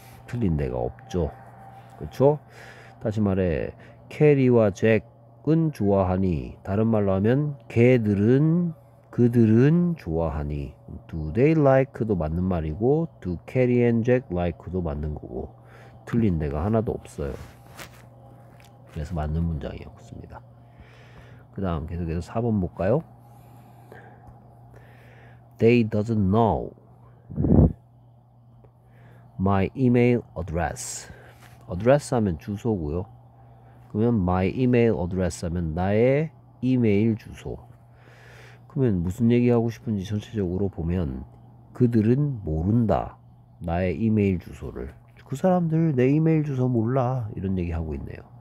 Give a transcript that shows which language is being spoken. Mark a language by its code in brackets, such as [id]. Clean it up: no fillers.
[ko] 틀린 데가 없죠. 그렇죠? 다시 말해 캐리와 잭은 좋아하니 다른 말로 하면 걔들은 그들은 좋아하니 [en] Do they like [ko] 도 맞는 말이고 [en] Do Carrie and Jack like [ko] 도 맞는 거고 틀린 데가 하나도 없어요. 그래서 맞는 문장이었습니다. 그 다음 계속해서 4번 볼까요? [en] They doesn't know my email address. [ko] Address 하면 주소고요. 그러면 [en] my email address [ko] 하면 나의 이메일 주소. 그러면 무슨 얘기하고 싶은지 전체적으로 보면 그들은 모른다. 나의 이메일 주소를. 그 사람들 내 이메일 주소 몰라. 이런 얘기하고 있네요.